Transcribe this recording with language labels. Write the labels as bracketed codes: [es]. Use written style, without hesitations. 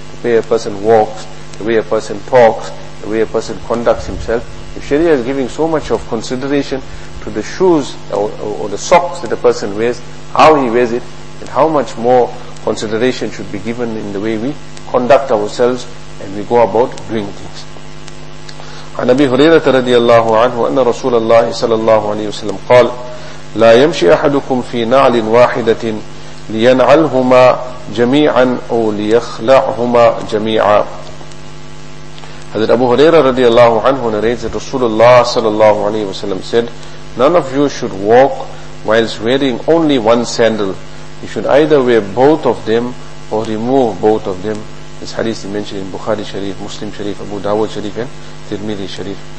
[en] The way a person walks, the way a person talks, the way a person conducts himself. If Sharia is giving so much of consideration to the shoes or the socks that a person wears, how he wears it, then how much more consideration should be given in the way we conduct ourselves and we go about doing things. [ar] عن أبي هريرة رضي الله عنه أن رسول الله صلى الله عليه وسلم قال لا يمشي أحدكم في نعل واحدة لينعلهما جميعا أو ليخلعهما جميعا. حضرت أبو هريرة رضي الله عنه [en] narrates that [ar] رسول الله صلى الله عليه وسلم [en] said, none of you should walk whilst wearing only one sandal. You should either wear both of them or remove both of them. This hadith is mentioned in Bukhari Sharif, Muslim Sharif, Abu Dawud Sharif and Tirmidhi Sharif.